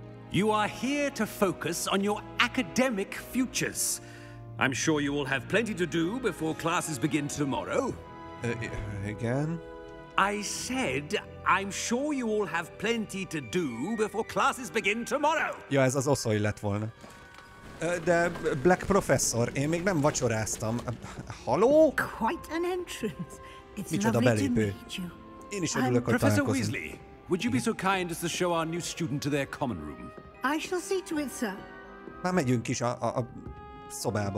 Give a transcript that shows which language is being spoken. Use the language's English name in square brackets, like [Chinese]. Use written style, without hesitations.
[English] You are here to focus on your academic futures. I'm sure you will have plenty to do before classes begin tomorrow. [Hungarian] Igen. [English] I said, I'm sure you all have plenty to do before classes begin tomorrow. [Hungarian] Ja, ez az oszoly lett volna. De Black Professor, én még nem vacsoráztam. Haló? [English] Quite an entrance. It's [Hungarian] micsoda [English] lovely [Hungarian] belépő. [English] To meet you. [Hungarian] Én is örülök, hogy találkozom. [English] Professor Weasley, would you be so kind as to show our new student to their common room? I shall see to it, sir. [Hungarian] Már megyünk is a szobába.